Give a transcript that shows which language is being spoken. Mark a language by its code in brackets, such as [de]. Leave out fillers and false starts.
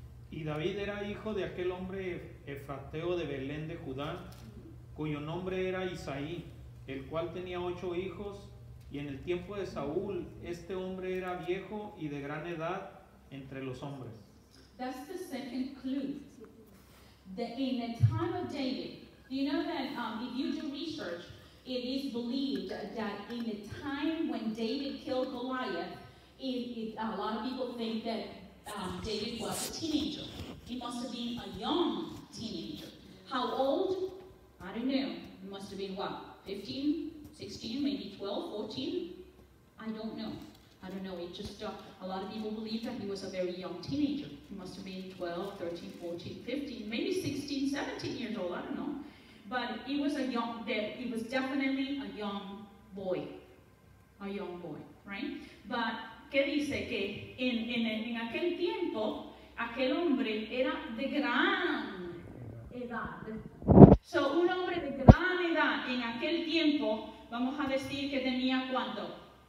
[es] Y David era hijo de aquel hombre efrateo de Belén de Judá, cuyo nombre era Isaí, el cual tenía 8 hijos, y en el tiempo de Saúl, este hombre era viejo y de gran edad entre los hombres. [en] That's the second clue. In the time of David, you know that if you do research, it is believed that in the time when David killed Goliath, a lot of people think that David was a teenager. He must have been a young teenager. How old? I don't know. He must have been what? 15, 16, maybe 12, 14? I don't know. It just a lot of people believe that he was a very young teenager. He must have been 12, 13, 14, 15, maybe 16, 17 years old. I don't know. But he was definitely a young boy, right? [es] But ¿qué dice? Que en aquel tiempo, aquel hombre era de gran edad. So, un hombre de gran edad en aquel tiempo, vamos a decir que tenía ¿cuánto?